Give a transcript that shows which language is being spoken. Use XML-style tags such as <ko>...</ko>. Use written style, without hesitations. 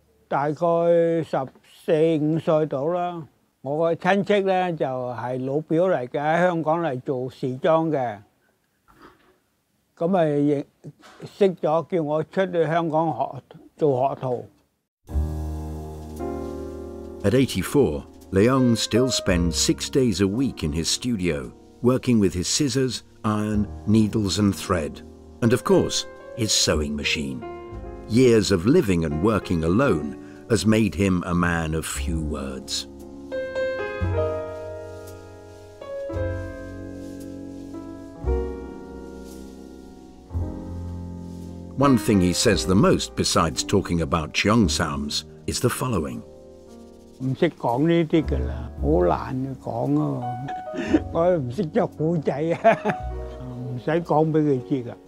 <yue>大概14、15岁到啦，我个亲戚咧就系老表嚟嘅，喺香港嚟做时装嘅，咁咪认识咗，叫我出去香港学做学徒。</yue> <en>At 84, Leung still spends 6 days a week in his studio, working with his scissors, iron, needles and thread, and of course his sewing machine. Years of living and working alone. Has made him a man of few words. One thing he says the most, besides talking about cheongsams, is the following:</en> <yue>"唔识讲呢啲噶啦，好难讲啊！我唔识只古仔啊，唔使讲俾佢知噶。</yue>